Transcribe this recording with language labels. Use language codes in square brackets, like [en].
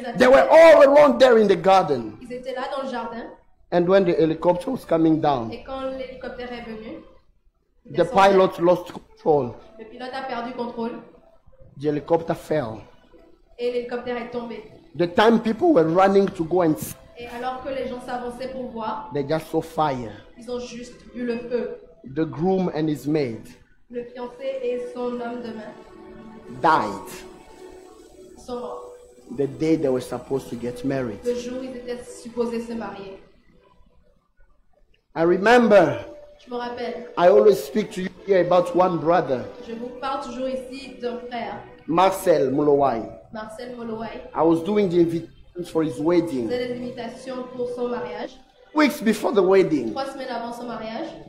[en] étaient they were all around there in the garden. [fr] Ils étaient là dans le jardin. [en] And when the helicopter was coming down, [fr] et quand l'hélicoptère est venu, [en] the pilot lost control. [fr] Le pilote a perdu contrôle. [en] The helicopter fell. [fr] Et l'hélicoptère est tombé. [en] The time people were running to go and see. [fr] Et alors que les gens s'avançaient pour voir, [en] they just saw fire. [fr] Ils ont juste vu le feu. [en] The groom and his maid. [fr] Le fiancé et son homme de main. [en] Died. [fr] Ils sont morts. [en] The day they were supposed to get married. [fr] Le jour où ils étaient supposés se marier. [en] I remember. [fr] Je me rappelle. [en] I always speak to you here about one brother. [fr] Je vous parle toujours ici d'un frère. [en] Marcel Mulowai. Marcel Mulowai. I was doing the invitations for his wedding. [fr] Faisais des invitations pour son mariage. [en] Weeks before the wedding. [fr] 3 semaines avant son mariage.